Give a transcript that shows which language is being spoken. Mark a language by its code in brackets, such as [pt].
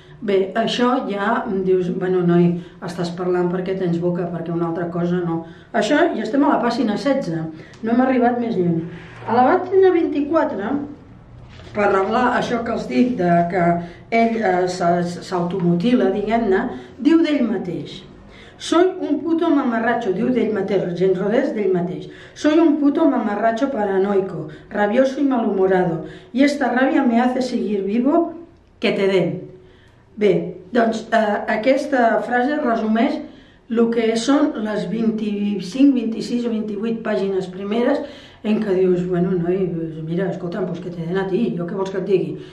[ca] Bé, això ja em dius, bueno, noi, estàs parlant perquè tens boca, perquè una altra cosa no. Això ja estem a la pàgina 16, no hem arribat més lluny. A la pàgina 24, per parlar això que els dic, de que ell s'automutila, diguem-ne, diu d'ell mateix. Soy un puto mamarracho, diu d'ell mateix, gens rodés d'ell mateix. [es] Soy un puto mamarracho paranoico, rabioso y malhumorado. Y esta rabia me hace seguir vivo, que te den. [ca] Bé, doncs aquesta frase resumeix el que són les 25, 26 o 28 pàgines primeres en què dius, bueno, noi, mira, escolta'm, doncs que t'he d'anar a ti, jo què vols que et digui?